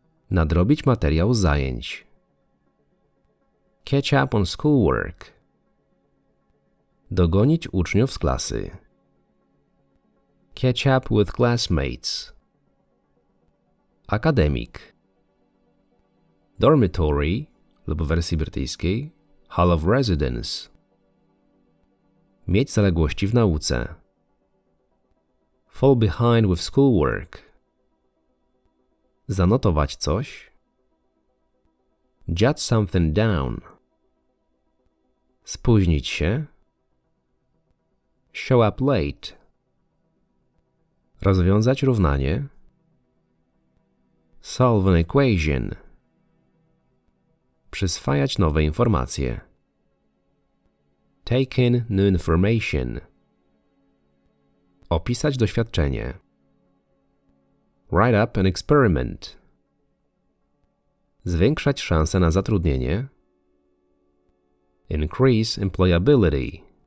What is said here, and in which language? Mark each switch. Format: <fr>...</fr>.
<pl>Nadrobić materiał zajęć.</pl> <en>Catch up on schoolwork.</en> <pl>Dogonić uczniów z klasy.</pl> <en>Catch up with classmates.</en> <pl>Akademik.</pl> <en>Dormitory</en> <pl>lub w wersji brytyjskiej</pl> <en>Hall of Residence.</en> <pl>Mieć zaległości w nauce.</pl> <en>Fall behind with schoolwork.</en> <pl>Zanotować coś.</pl> <en>Jot something down.</en> <pl>Spóźnić się.</pl> <en>Show up late.</en> <pl>Rozwiązać równanie.</pl> <en>Solve an equation.</en> <pl>Przyswajać nowe informacje.</pl> <en>Take in new information.</en> <pl>Opisać doświadczenie.</pl> <en>Write up an experiment.</en> <pl>Zwiększać szanse na zatrudnienie.</pl> <en>Increase employability.</en>